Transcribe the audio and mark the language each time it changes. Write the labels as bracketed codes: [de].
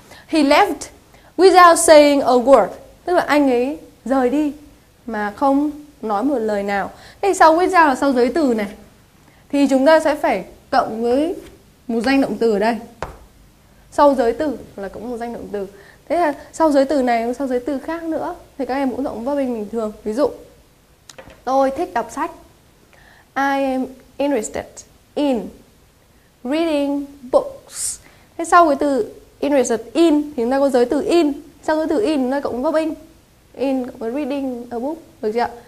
[en] He left without saying a word. [vi] Tức là anh ấy rời đi mà không nói một lời nào. Thế thì sau without là sau giới từ này, thì chúng ta sẽ phải cộng với một danh động từ ở đây. Sau giới từ là cũng một danh động từ. Thế là sau giới từ này, sau giới từ khác nữa, thì các em cũng cộng với bình thường. Ví dụ, tôi thích đọc sách. [en] I am interested in reading books. [vi] Thế sau cái từ interested in thì chúng ta có giới từ in. Sau giới từ in chúng ta cộng verb in cộng với reading a book. Được chưa?